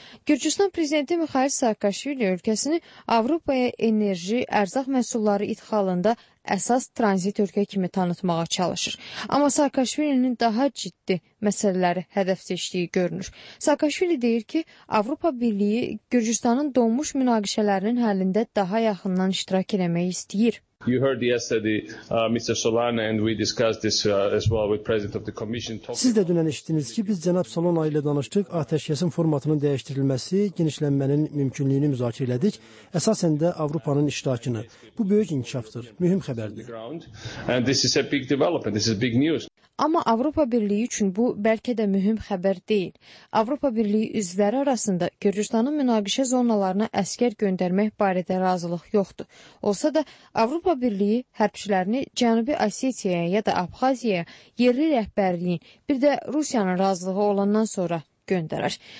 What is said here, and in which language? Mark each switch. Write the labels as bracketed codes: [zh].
[az] Gürcüstan Prezidenti Mikhail Saakashvili ölkəsini Avropaya enerji, ərzaq məhsulları idxalında əsas tranzit ölkə kimi tanıtmağa çalışır. Amma Saakashvili'nin daha ciddi məsələləri hədəf seçdiyi görünür. Saakashvili deyir ki, Avropa Birliyi Gürcüstanın donmuş münaqişələrinin həllində daha yaxından iştirak eləmək istəyir. [en] You heard yesterday Mr. Solana and we discussed this as well with President of the Commission. [az] Siz də dünən eşitdiniz ki, biz cənab Solana ilə danışdıq, atəşkəsin formatının dəyişdirilməsi, genişlənmənin mümkünlüyünü müzakirə elədik. Əsasən də Avropanın iştirakını. Bu böyük inkişafdır, mühüm xəbərdir. [en] And this is a big development, this is big news. [az] Amma Avropa Birliyi üçün bu bəlkə də mühüm xəbər deyil. Avropa Birliyi üzvləri arasında Gürcüstanın münaqişə zonalarına əsgər göndərmək barədə razılıq yoxdur. Olsa da Avropa Birliyi hərbçilərini Cənubi Osetiyaya ya da Abxaziyaya yerli rəhbərliyin, bir də Rusiyanın razılığı olandan sonra göndərər.